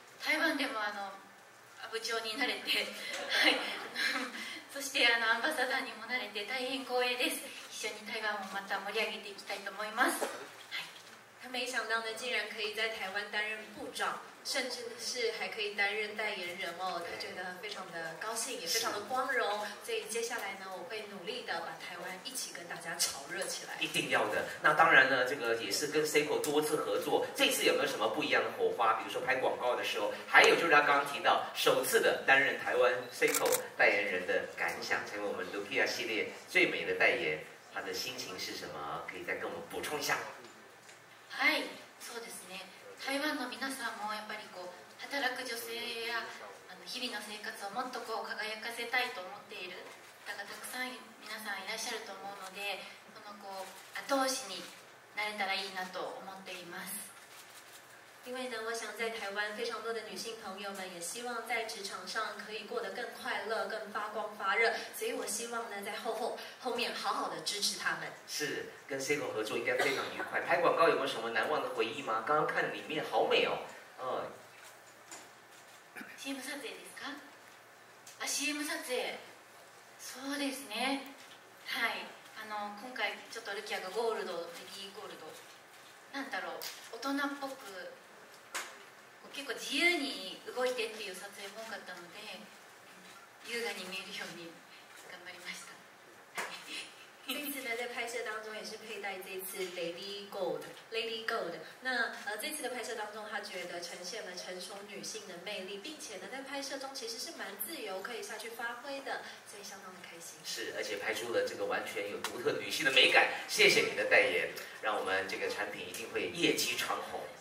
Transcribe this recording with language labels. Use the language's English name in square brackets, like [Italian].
[Japanese] 台湾でも部長になれて、はい。そしてアンバサダーにもなれて大変光栄です。一緒に台湾もまた盛り上げていきたいと思います。 [Chinese] 他没想到呢，竟然可以在台湾担任部长，甚至是还可以担任代言人哦。他觉得非常的高兴，也非常的光荣。所以接下来呢，我会努力的把台湾一起跟大家炒热起来。一定要的。那当然呢，这个也是跟 Seiko 多次合作，这次有没有什么不一样的火花？比如说拍广告的时候，还有就是他刚刚提到首次的担任台湾 Seiko 代言人的感想，成为我们 Lupia 系列最美的代言，他的心情是什么？可以再跟我们补充一下。 [Japanese] はい、そうですね。台湾の皆さんもやっぱりこう働く女性や日々の生活をもっとこう輝かせたいと思っている方がたくさん皆さんいらっしゃると思うので、このこう後押しになれたらいいなと思っています。 [Chinese] 因为呢，我想在台湾非常多的女性朋友们也希望在职场上可以过得更快乐、更发光发热，所以我希望呢，在后面好好的支持他们。是，跟 Seiko 合作应该非常愉快。拍广告有没有什么难忘的回忆吗？刚刚看里面好美哦。 [Japanese] CM 撮影ですか？あ、CM 撮影。そうですね。はい。今回ちょっとルキアがゴールド、ベリーゴールド。なんだろう、大人っぽく。結構自由に動いてっていう撮影も多かったので、優雅に見えるように頑張りました。 [Chinese] 这次呢，在拍摄当中也是佩戴这次 Lady Gold， Lady Gold。那这次的拍摄当中，他觉得呈现了成熟女性的魅力，并且呢，在拍摄中其实是蛮自由，可以下去发挥的，所以相当的开心。是，而且拍出了这个完全有独特女性的美感。谢谢你的代言，让我们这个产品一定会业绩长虹。